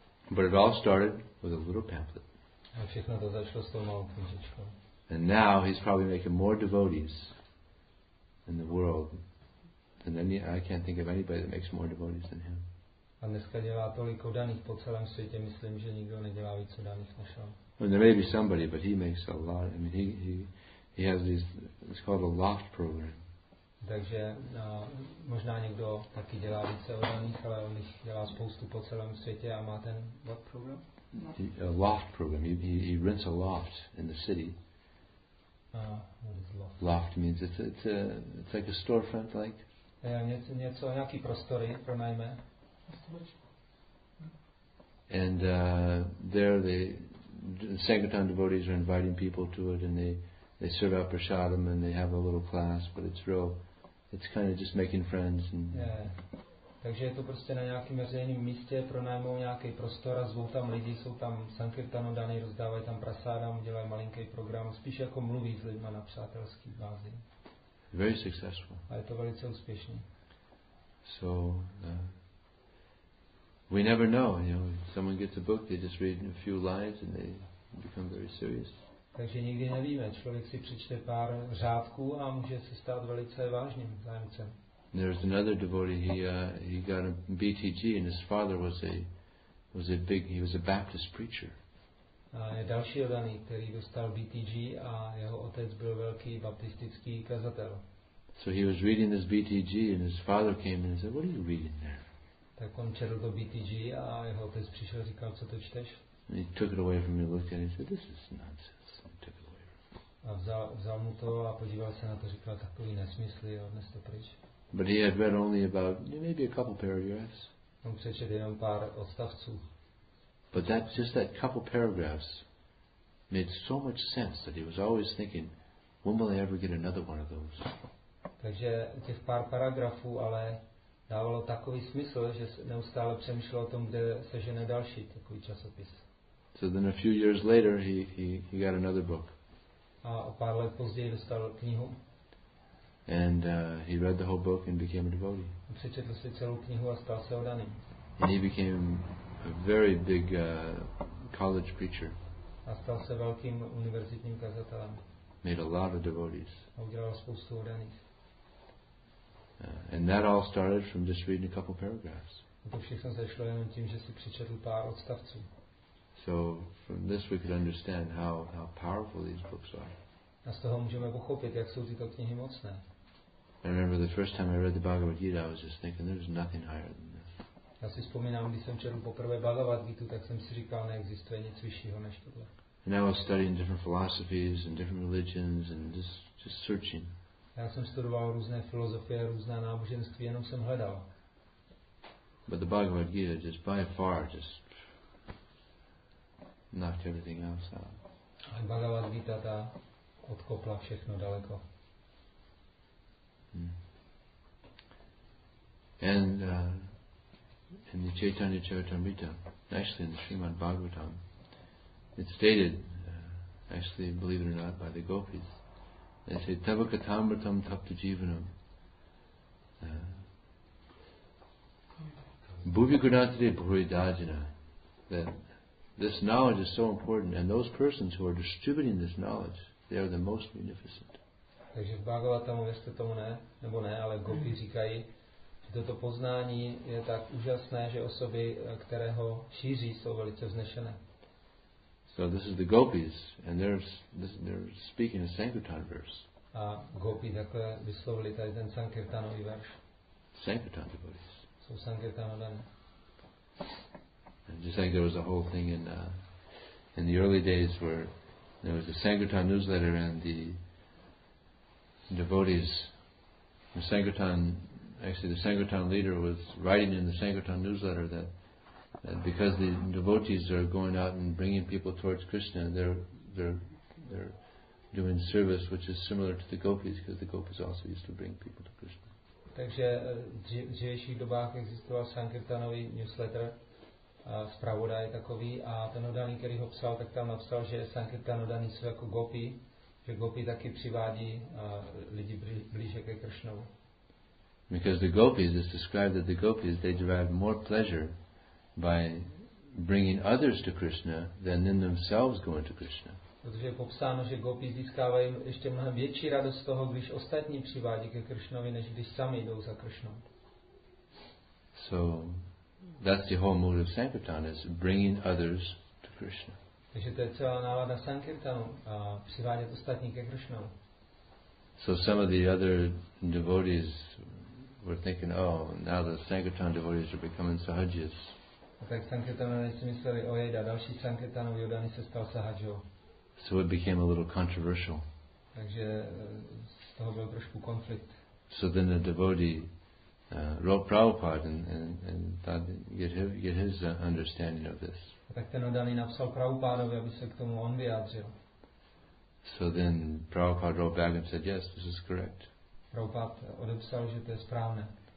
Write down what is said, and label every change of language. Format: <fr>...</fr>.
<en>But it all started with a little pamphlet.</en> <cs>A všechno to začalo s tou malou knížičkou.</cs> <en>And now he's probably making more devotees in the world than any. I can't think of anybody that makes more devotees than him.</en> <cs>A dneska dělá tolik oddaných po celém světě. Myslím, že nikdo nedělá víc oddaných než on.</cs> <en>Well, there may be somebody, but he makes a lot. I mean, he has this. It's called a loft program.</en> <cs>Takže možná někdo taky dělá více oddaných, ale on jich dělá spoustu po celém světě a má ten</cs> <en>what program? A loft program. He rents a loft in the city. What is loft? Loft means it's like a storefront, like.</en> <cs>Něco, nějaký prostory pronajme.</cs> <en>And there the Sankirtan devotees are inviting people to it, and they serve out prasadam and they have a little class, but it's real. It's kind of just making friends. And</en> <cs>takže je to prostě na nějakém veřejném místě, pronajmou nějaký prostor a zvou tam lidi, jsou tam sankirtanodany, rozdávají tam prasádam, dělají malinký program, spíš jako mluví s lidmi na přátelské bázi.</cs> <en>Very successful.</en> <cs>A je to velice úspěšný.</cs> <en>So, we never know, you know, if someone gets a book, they just read a few lines and they become very serious.</en> <cs>Takže nikdy nevíme. Člověk si přečte pár řádků a může se stát velice vážným zájemcem.</cs> <en>There's another devotee. He got a BTG, and his father was a Baptist preacher.</en> <cs>A je další oddaný, který dostal BTG, a jeho otec byl velký baptistický kazatel.</cs> <en>So he was reading this BTG, and his father came and said, "What are you reading there?"</en> <cs>Tak on četl to BTG a jeho otec přišel a říkal, co to čteš?</cs> <en>And he took it away from me, looked at it, and said, "This is nonsense."</en> <cs>A vzal mu to a podíval se na to, říkal, takový nesmysly, jo, dnes to pryč.</cs> <en>But he had read only about maybe a couple paragraphs.</en> <cs>On přečet jenom pár odstavců.</cs> <en>But that just that couple paragraphs made so much sense that he was always thinking, when will I ever get another one of those?</en> <cs>Takže těch pár paragrafů ale dávalo takový smysl, že neustále přemýšlel o tom, kde sežene další takový časopis.</cs> <en>So then a few years later he got another book.</en> <cs>A o pár let později dostal knihu.</cs> <en>And he read the whole book and became a devotee.</en> <cs>A přečetl si celou knihu a stal se oddaným.</cs> <en>And he became a very big college preacher.</en> <cs>A stal se velkým univerzitním kazatelem.</cs> <en>Made a lot of devotees.</en> <cs>A udělal spoustu oddaných.</cs> <en>And that all started from just reading a couple paragraphs.</en> <cs>A to všechno začalo jenom tím, že si přečetl pár odstavců.</cs> <en>So from this we could understand how powerful these books are.</en> <cs>A z toho můžeme pochopit, jak jsou tyto knihy mocné.</cs> <en>I remember the first time I read the Bhagavad Gita, I was just thinking, there's nothing higher than this.</en> <cs>Já si vzpomínám, když jsem četl poprvé Bhagavad Gitu, tak jsem si říkal, neexistuje nic vyššího než tohle.</cs> <en>And I was studying different philosophies and different religions and just searching.</en> <cs>Já jsem studoval různé filozofie, různá náboženství, jenom jsem hledal.</cs> <en>But the Bhagavad Gita just by far just knocked everything else out.</en> <cs>A Bhagavad Gita ta odkopla všechno daleko.</cs> <en>And in the Chaitanya Charitamrita, actually in the Srimad Bhagavatam, it's stated, actually, believe it or not, by the gopis.</en> <sa>They say, Tavakatamratam tapta jivanam. Bhuvigunatri bhuridajana.</sa> <en>That this knowledge is so important, and those persons who are distributing this knowledge, they are the most munificent.</en> <cs>Takže v Bhagavatamu, jestli tomu ne, nebo ne, ale gopi říkají, že toto poznání je tak úžasné, že osoby, které ho šíří, jsou velice vznešené.</cs> <en>So this is the gopis, and they're speaking a Sankirtan verse.</en> <cs>A gopi takhle vyslovili tady ten Sankirtanový verš.</cs> <en>Sankirtan devotees.</en> <cs>Jsou Sankirtanodany.</cs> <en>And just like there was a whole thing in the early days where there was a Sankirtan newsletter and the devotees, the Sankirtan, actually the Sankirtan leader was writing in the Sankirtan newsletter that, that because the devotees are going out and bringing people towards Krishna, they're doing service which is similar to the gopis, because the gopis also used to bring people to Krishna.</en> <cs>Takže v dřívějších dobách existoval Sankirtanový newsletter, zpravodaj takový, a ten udaný, který ho psal, tak tam napsal, že Sankirtanodany jsou jako gopi, že gopi taky přivádí lidi blíže ke Kršnovu.</cs> <en>Because the gopis, it's described that the gopis, they derive more pleasure by bringing others to Krishna than in themselves going to Krishna.</en> <cs>Protože je popsáno, že gopi získávají ještě mnohem větší radost z toho, když ostatní přivádí ke Kršnovi, než když sami jdou za Kršnou.</cs> <en>So, that's the whole mood of Sankirtan, is bringing others to Krishna.</en> <cs>Takže to je celá návada Sankirtanu, přivádět ostatní ke Kršnou.</cs> <en>So some of the other devotees were thinking, oh, now the Sankirtan devotees are becoming sahajis.</en> <cs>A tak Sankirtanové si mysleli, ojejda, další Sankirtanový udany se stal sahajou.</cs> <en>So it became a little controversial.</en> <cs>Takže z toho byl trošku konflikt.</cs> <en>So then the devotee wrote Prabhupada and get his understanding of this.</en> <cs>A tak ten udany napsal Prabhupádovi, aby se k tomu on vyjádřil.</cs> <en>So then Prabhupada wrote back and said, yes, this is correct.</en> <cs>Prabhupád odepsal, že to je správné.</cs>